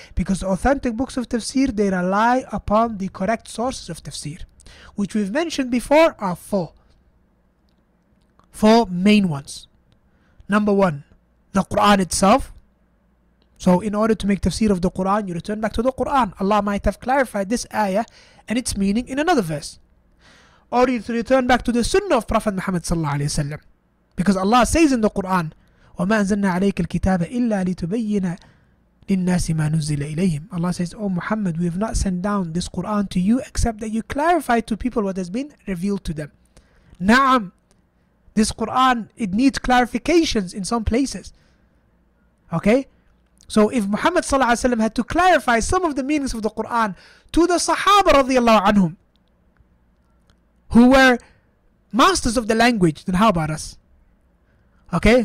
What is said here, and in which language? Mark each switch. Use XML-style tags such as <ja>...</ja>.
<en>Because the authentic books of Tafsir, they rely upon the correct sources of Tafsir, which we've mentioned before are four. Four main ones. Number one, the Quran itself. So in order to make tafsir of the Quran, you return back to the Quran. Allah might have clarified this ayah and its meaning in another verse. Or you return back to the sunnah of Prophet Muhammad sallallahu alayhi wa sallam. Because Allah says in the Quran,</en> <ar>وَمَا أَنزَلْنَا عَلَيْكَ الْكِتَابَ إِلَّا لِتُبَيِّنَ لِلنَّاسِ مَا نُزِّلَ إِلَيْهِمْ.</ar> <en>Allah says, O Muhammad, we have not sent down this Quran to you except that you clarify to people what has been revealed to them. Na'am. This Quran, it needs clarifications in some places. Okay? So if Muhammad sallallahu alayhi wa sallam had to clarify some of the meanings of the Quran to the Sahaba radiallahu anhum, who were masters of the language, then how about us? Okay?</en>